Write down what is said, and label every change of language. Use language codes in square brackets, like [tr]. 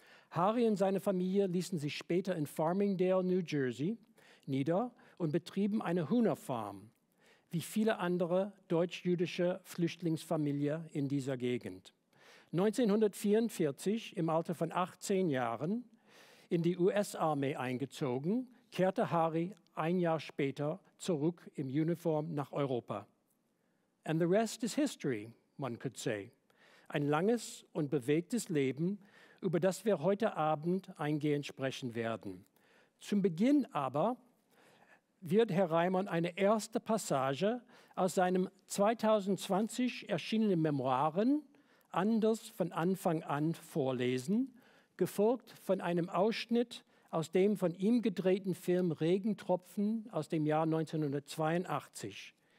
[de] Harry und seine Familie ließen sich später in Farmingdale, New Jersey, nieder und betrieben eine Hühnerfarm, wie viele andere deutsch-jüdische Flüchtlingsfamilien in dieser Gegend. 1944, im Alter von 18 Jahren, in die US-Armee eingezogen, kehrte Harry 1 Jahr später zurück im Uniform nach Europa. [en] And the rest is history, one could say. [de] Ein langes und bewegtes Leben, über das wir heute Abend eingehend sprechen werden. Zum Beginn aber wird Herr Reimon eine erste Passage aus seinem 2020 erschienenen Memoiren Anders von Anfang an vorlesen, gefolgt von einem Ausschnitt aus dem von ihm gedrehten Film Regentropfen aus dem Jahr 1982.